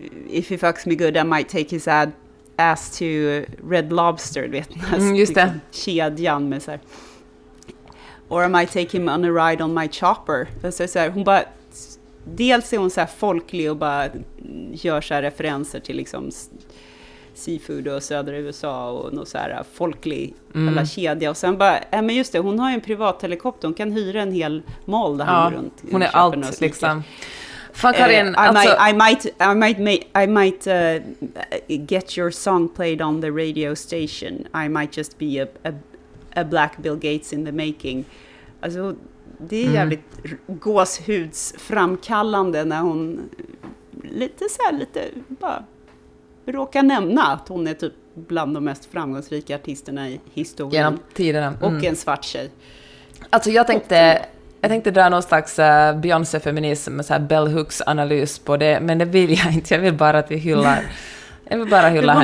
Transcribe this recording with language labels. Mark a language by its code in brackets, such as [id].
[en] If he fucks me good, I might take his ass to Red Lobster, [sv] vet ni? Just det. Kedjan med så här. [en] Or I might take him on a ride on my chopper. [sv] Så här, hon bara dels är hon så här folklig och bara gör så här referenser till liksom seafood och södra USA och något så här folklig alla kedja. Och sen bara, men just det, hon har ju en privat helikopter, hon kan hyra en hel mall där han går runt. Hon är allt liksom. Liksom. Fan, Karin, [en] I might get your song played on the radio station. I might just be a black Bill Gates in the making. [sv] Alltså, det är jävligt gåshudsframkallande när hon lite så här, lite bara råkar nämna att hon är typ bland de mest framgångsrika artisterna i historien. Genom tiderna. Och en svart tjej. Alltså, jag tänkte dra någon slags Beyoncé-feminism, så här bell hooks-analys på det, men det vill jag inte. Jag vill bara att vi hyllar. Jag vill bara hylla henne.